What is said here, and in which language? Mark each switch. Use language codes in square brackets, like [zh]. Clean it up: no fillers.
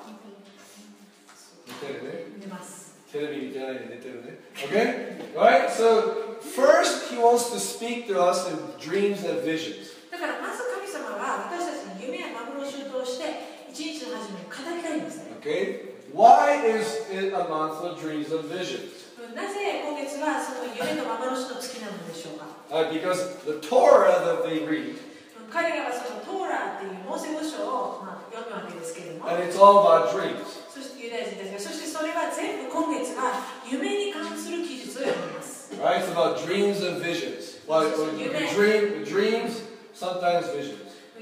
[ja] 寝てるね。寝ます。テレビ見てないで寝てるね。 [en] Okay? Right? So, first he wants to speak to us in dreams and visions. [ja] だからまず神様は私たちに夢や幻を通して一日の始めを語りたいんですね。 [en] Okay? Why is it a month of dreams and visions? [ja] なぜ今月はその夢と幻の月なのでしょうか？ [en] Right, because the Torah that they read, [ja] 彼らはそのトーラーっていうモーセ五章を、まあ、読むわけですけれども [en] And it's all about dreams. [ja] そしてユダヤ人ですが、そしてそれは全部今月は夢に関する記述を読みます。 [en] Right, it's about dreams and visions. Like, dreams, sometimes visions.